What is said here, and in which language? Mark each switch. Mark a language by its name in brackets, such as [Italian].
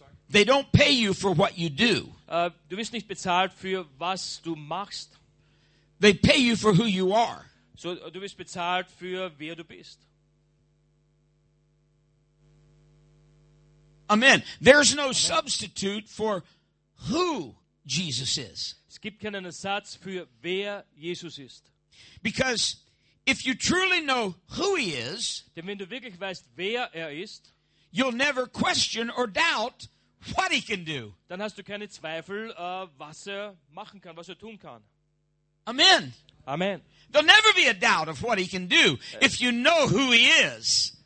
[English] They don't pay you for what you do. [German] Du wirst nicht bezahlt für was du machst. [English] They pay you for who you are. [German] So du wirst bezahlt für wer du bist. [English] Amen. There's no substitute for who Jesus is. [German] Es gibt keinen Ersatz für wer Jesus ist. [English] Because if you truly know who he is, [German] denn wenn du wirklich weißt wer ist, [English] you'll never question or doubt what he can do. [German] Dann hast du keine Zweifel, was machen kann, was tun kann. [English] Amen. Amen. There'll never be a doubt of what he can do if you know who he is.